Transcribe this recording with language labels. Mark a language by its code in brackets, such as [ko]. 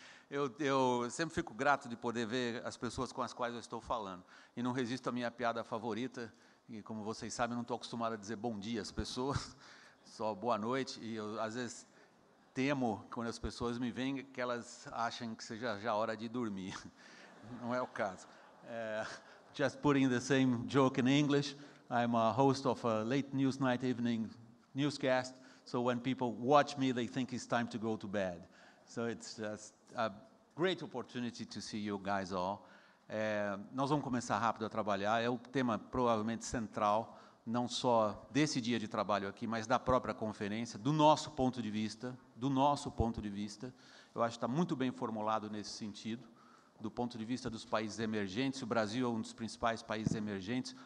[pt] Eu sempre fico grato de poder ver as pessoas com as quais eu estou falando. E não resisto à minha piada favorita, e como vocês sabem, não estou acostumado a dizer bom dia às pessoas, só boa noite, e eu, às vezes, temo, quando as pessoas me veem, que elas acham que seja já hora de dormir. Não é o caso. [en] Just putting the same joke in English, I'm a host of a late news night evening newscast, so when people watch me, they think it's time to go to bed. So it's just a great opportunity to see you guys all. [pt] Nós vamos começar rápido a trabalhar, é o tema provavelmente central, não só desse dia de trabalho aqui, mas da própria conferência, do nosso ponto de vista, do nosso ponto de vista. Eu acho que está muito bem formulado nesse sentido, do ponto de vista dos países emergentes. O Brasil é um dos principais países emergentes.